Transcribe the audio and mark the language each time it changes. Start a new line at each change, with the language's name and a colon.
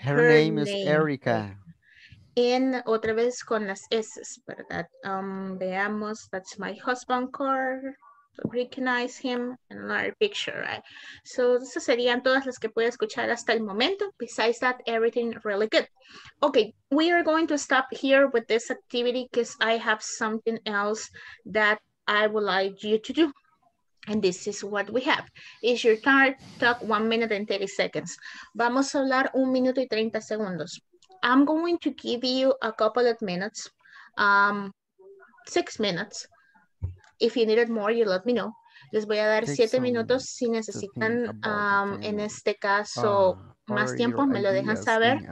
English: Her name is Erica.
Spanish: En otra vez con las S, ¿verdad? Veamos, that's my husband, Carl.
English: Recognize him in another picture, right?
Spanish: So, esas serían todas las que puedo escuchar hasta el momento.
English: Besides that, everything really good. Okay, we are going to stop here with this activity because I have something else that I would like you to do. And this is what we have. It's your turn, talk 1 minute and 30 seconds. Vamos a hablar 1 minuto y 30 segundos. I'm going to give you a couple of minutes, 6 minutes. If you needed more, you let me know.
Spanish: Les voy a dar 7 minutos. Si necesitan, en este caso, más tiempo, me lo dejan saber.